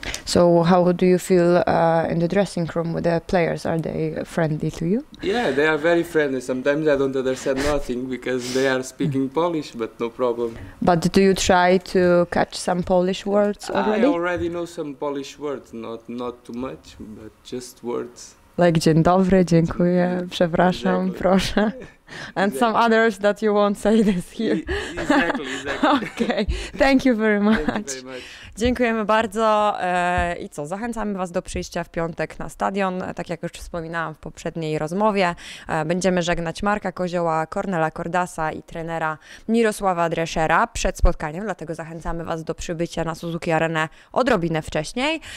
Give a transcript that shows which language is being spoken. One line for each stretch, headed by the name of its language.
English: So how do you feel in the dressing room with the players? Are they friendly to you? Yeah, they are very friendly. Sometimes I don't understand nothing because they are speaking Polish, but no problem. But do you try to catch some Polish words already? I already know some Polish words, not too much, but just words.
Polish: Like dzień dobry, dziękuję, przepraszam,
English: exactly.
Polish: Proszę.
English: and exactly. some others that you won't say this here. Exactly. Okay. Thank you very much. Thank you very much.
Polish: Dziękujemy bardzo i co, zachęcamy Was do przyjścia w piątek na stadion, tak jak już wspominałam w poprzedniej rozmowie. Będziemy żegnać Marka Kozioła, Kornela Kordasa i trenera Mirosława Dreschera przed spotkaniem, dlatego zachęcamy Was do przybycia na Suzuki Arenę odrobinę wcześniej.